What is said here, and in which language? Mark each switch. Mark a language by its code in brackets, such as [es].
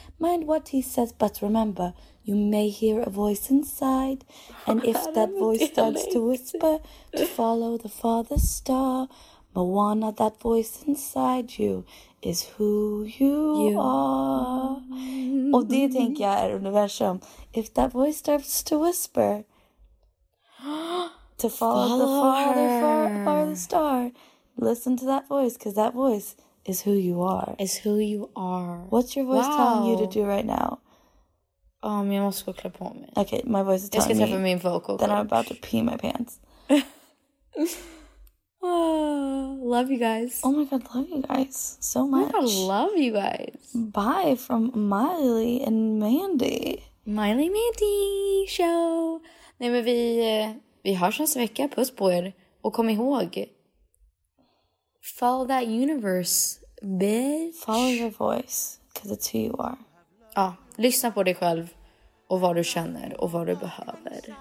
[en] Mind what he says, but remember, you may hear a voice inside. And if that voice starts to whisper, to follow the father's star. Moana, that voice inside you is who you are. [sv] Och det tänker jag är universum. [en] If that voice starts to whisper, to follow the father's star, listen to that voice, because that voice is who you are. Is who you are. What's your voice telling you to do right now? [sv] Jag måste gå och klä på mig. [en] Okay, my voice is telling [sv] me. Jag ska träffa min vocal [en] coach. Then I'm about to pee my pants. Love you guys. Oh my god, love you guys so much. Oh my god, love you guys. Bye from Miley and Mandy. Miley Mandy show. [sv] Nej, men vi hörs nästa vecka. Puss på er. Och kom ihåg. [en] Follow that universe, bitch. Follow your voice, because it's who you are. [sv] Ja, lyssna på dig själv. Och vad du känner och vad du behöver.